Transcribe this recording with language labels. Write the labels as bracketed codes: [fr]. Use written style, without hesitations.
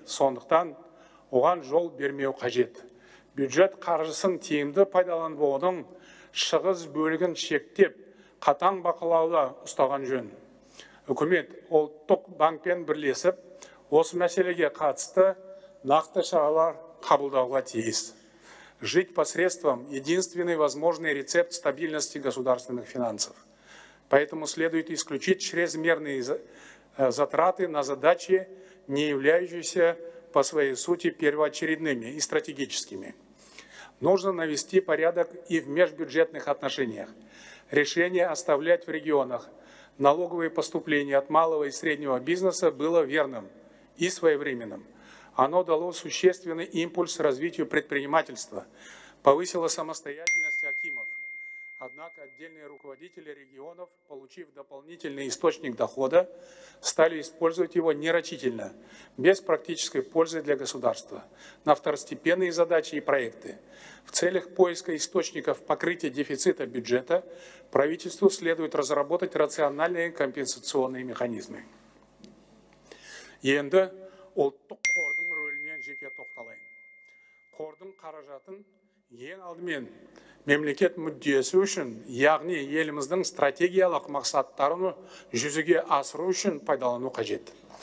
[kk] Сондықтан оған жол бермеу қажет. Бюджет қаржысын тиімді пайдаланып оның шығыс бөлігін шектеп, қатаң бақылауда ұстаған жөн. Үкімет ұлттық банкпен бірлесіп, осы мәселеге қатысты нақты шаралар қабылдауға тиіс. [ru] жить посредством единственный возможный рецепт стабильности государственных финансов. Поэтому следует исключить чрезмерные затраты на задачи, не являющиеся по своей сути первоочередными и стратегическими. Нужно навести порядок и в межбюджетных отношениях. Решение оставлять в регионах налоговые поступления от малого и среднего бизнеса было верным и своевременным. Оно дало существенный импульс развитию предпринимательства, повысило самостоятельность акимов. Однако отдельные руководители регионов, получив дополнительный источник дохода, стали использовать его нерочительно, без практической пользы для государства, на второстепенные задачи и проекты. В целях поиска источников покрытия дефицита бюджета правительству следует разработать рациональные компенсационные механизмы. [kk] Енді ұлттық қордың рөлінен жеке тоқталайын. Қордың қаражатын ең алдымен мемлекет мүддесі үшін, яғни еліміздің стратегиялық мақсаттарын жүзеге асыру үшін пайдалану қажет.